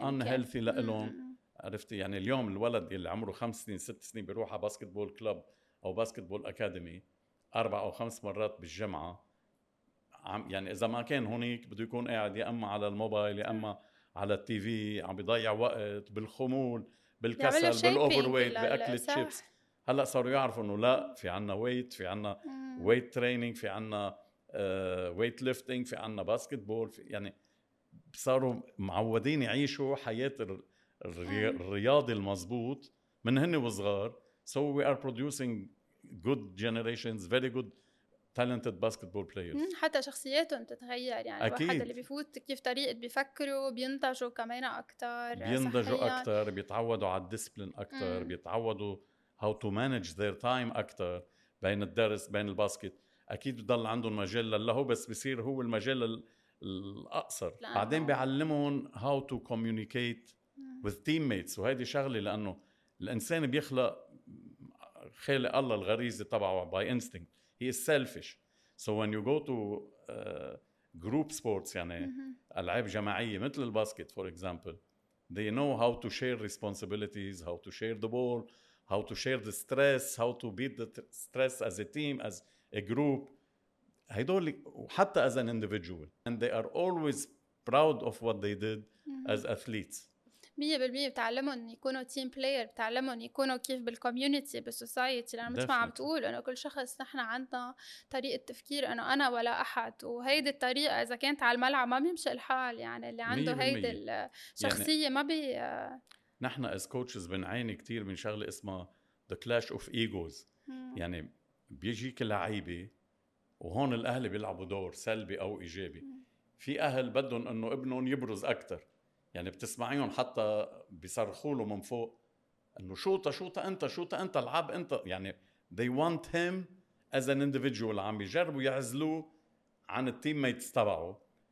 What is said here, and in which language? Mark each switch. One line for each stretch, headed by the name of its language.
Arabic: unhealthy لألون عرفتي يعني اليوم الولد اللي عمره 5 سنين 6 سنين بيروح على باسكت بول كلب أو باسكت بول أكاديمي 4 أو 5 مرات بالجمعة يعني إذا ما كان هناك بده يكون قاعد يا أما على الموبايل يا أما على التي في عم بيضيع وقت بالخمول بالكسل بالأوفر ويت بأكل الشيبس. هلأ صاروا يعرفوا أنه لا في عنا ويت في عنا ويت ترينينج في عنا ويت ليفتينج في عنا باسكت بول يعني صاروا معودين يعيشوا حياة الرياضي المزبوط من هن وصغار.
English: So we are producing good generations, very good talented basketball players.
Arabic: حتى شخصياتهم تتغير يعني أكيد. واحد اللي بيفوت كيف طريقة بيفكروا بينتجوا كمان أكتر بينتجوا أكتر بيتعودوا على الديسبلين أكتر بيتعودوا
English: how to manage their time
Arabic: أكتر بين الدرس بين الباسكت. أكيد بضل عندهم مجال للهو بس بيصير هو المجال الأقصر بعدين بيعلمهم
English: how to communicate with teammates
Arabic: وهذه شغلة لأنه الإنسان بيخلق خلق الله الغريزة طبعه
English: by instinct he is selfish so when you go to group sports
Arabic: يعني ألعاب جماعية مثل الباسكت
English: for example they know how to share responsibilities how to share the ball how to share the stress how to beat the stress as a team as a group
Arabic: هيدول
English: حتى as an individual and they are always proud of what they did as athletes
Arabic: 100% بتعلموا ان يكونوا تيم بلاير بتعلموا ان يكونوا كيف بالكوميونتي بالسوسايتي لانه مثل ما عم تقول انه كل شخص نحن عندنا طريقه تفكير انه انا ولا احد وهيدي الطريقه اذا كانت على الملعب ما بيمشي الحال يعني اللي عنده هيدي الشخصيه يعني ما بي نحن از كوتشز بنعاني كثير من شغله اسمها
English: the clash of egos
Arabic: يعني بيجيك لعيبه وهون الاهل بيلعبوا دور سلبي او ايجابي في اهل بدهم انه ابنهم يبرز اكثر يعني بتسمعيهم حتى بيصرخوا له من فوق انه شوطه انت العب انت يعني
English: they want him as an individual
Arabic: عم يجربوا يعزلوه عن التيم ميتس تبعه